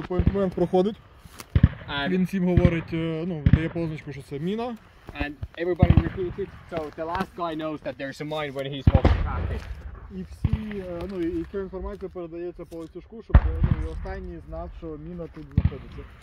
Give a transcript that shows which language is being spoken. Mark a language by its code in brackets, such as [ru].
[uk] Твій поінтмент проходить. Він всім говорить, ну, дає позначку, що це міна. [en] And everybody repeated, so the last guy knows that there's a mine when he's walking past it. [uk] І всі, ну, і ця інформація передається по ланцюжку, щоб, ну, і останній знав, що міна тут знаходиться.